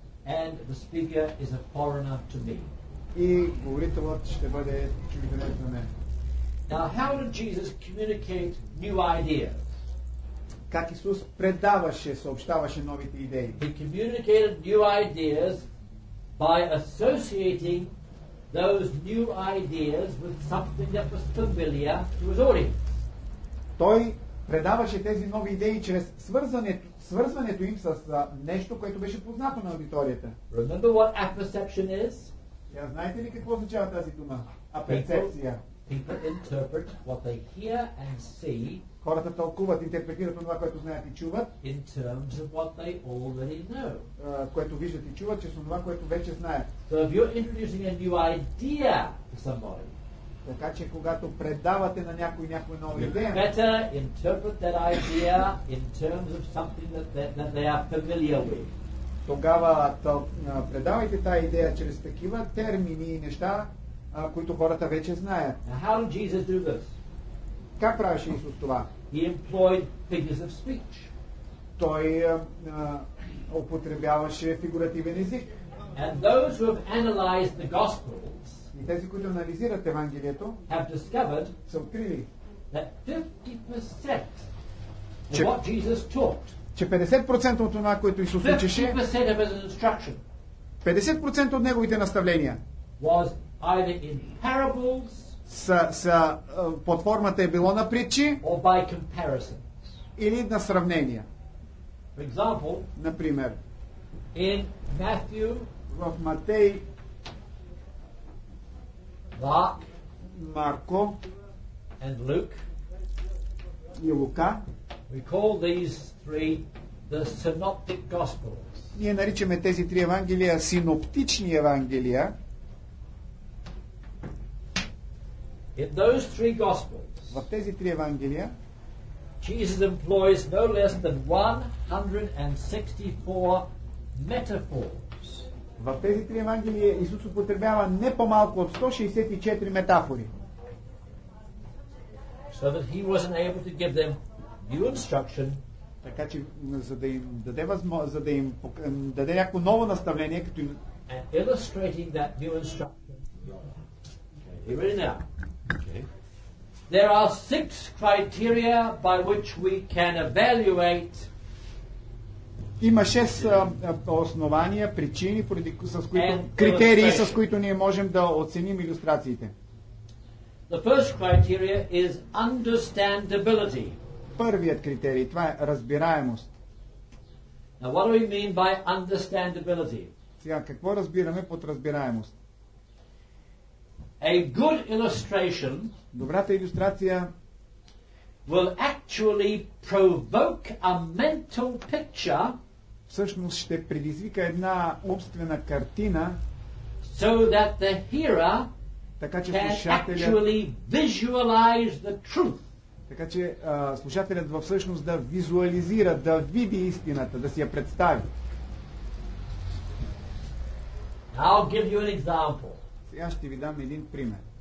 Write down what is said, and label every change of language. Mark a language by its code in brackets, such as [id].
[en] And the speaker is a foreigner to me. [bg] И говорителът ще бъде чужденец на мен. [en] Now how did Jesus communicate new ideas? [bg] Как Исус предаваше, съобщаваше новите идеи? [en] He communicated new ideas by associating those new ideas with something that was familiar to his audience. [bg] Той предаваше тези нови идеи чрез свързването им с нещо, което беше познато на аудиторията. [en] Remember what apperception is? [bg] Yeah, знаете ли какво означава тази дума? Аперцепция. [en] People interpret what they hear and see. [bg] Хората тълкуват, интерпретират това, което знаят и чуват. [en] In terms of what they already know. [bg] Което виждат и чуват, че с това, което вече знаят. [en] So if you're introducing a new idea to somebody, [bg] така че когато предавате на някой някоя нова идея, [en] better interpret that idea in terms of something that they are familiar with. [bg] Тогава предавайте тази идея чрез такива термини и неща, които хората вече знаят. [en] Now how did Jesus do this? [bg] Как правеше Исус това? [en] He employed figures of speech. [bg] Той употребяваше фигуративен език. [en] And those who have analyzed the Gospels, [bg] и тези, които анализират Евангелието, [en] have discovered, [bg] са открили, [en] that 50% of what Jesus taught, [bg] че 50% от това, което Исус учеше, [en] 50% [bg] от неговите наставления [en] was either in parables, [bg] са под формата е било на притчи, [en] or by comparisons, [bg] или на сравнения. [en] For example, [bg] например, [en] in Matthew, [bg] в Матей, [en] Mark, [bg] Марко, [en] and Luke, [bg] и Лука, [en] we call these three the synoptic gospels. [bg] Ние наричаме тези три евангелия синоптични евангелия. [en] In those three gospels, [bg] в тези три евангелия, [en] Jesus employs no less than 164 metaphors. [bg] В тези три евангелия Исус употребява не по-малко от 164 метафори. [en] so that he wasn't able to give them new instruction. [bg] Така че за да им даде възможност, за да им даде някакво ново наставление, като им. [en] And illustrating that new instruction. Okay, here it is now. Okay. There are six criteria by which we can evaluate. [bg] Има шест основания, причини, с които, критерии, с които ние можем да оценим илюстрациите. [en] The first criteria is understandability. [bg] Първият критерий, това е разбираемост. [en] Now what do we mean by understandability? [bg] Сега, какво разбираме под разбираемост? [en] A good illustration, [bg] добрата илюстрация, [en] will actually provoke a mental picture, [bg] всъщност ще предизвика една умствена картина, [en] so that the hearer, [bg] така че слушателят, [en] actually visualize the truth. [bg] Така че слушателят всъщност да визуализира, да види истината, да си я представи. [en] I'll give you an example. [bg] Сега ще ви дам един пример.